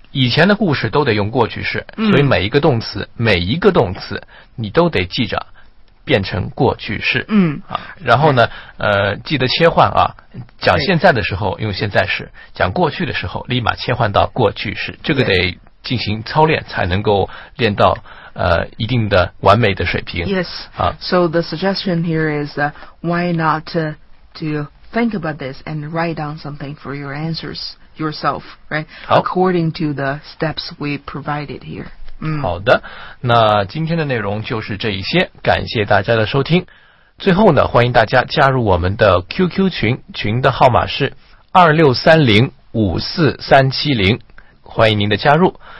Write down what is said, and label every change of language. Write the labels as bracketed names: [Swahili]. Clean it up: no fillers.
[Chinese] 以前的故事都得用过去式，所以每一个动词，每一个动词你都得记着变成过去式。嗯，啊，然后呢，记得切换啊，讲现在的时候用现在式，讲过去的时候立马切换到过去式，这个得进行操练才能够练到一定的完美的水平。 [English] Yes. 啊，So the suggestion here is why not to think about this and write down something for your answers yourself, right? According to the steps we provided here. [Chinese] 好的，那今天的内容就是这一些，感谢大家的收听。最后呢，欢迎大家加入我们的 QQ 群，群的号码是26305430，欢迎您的加入。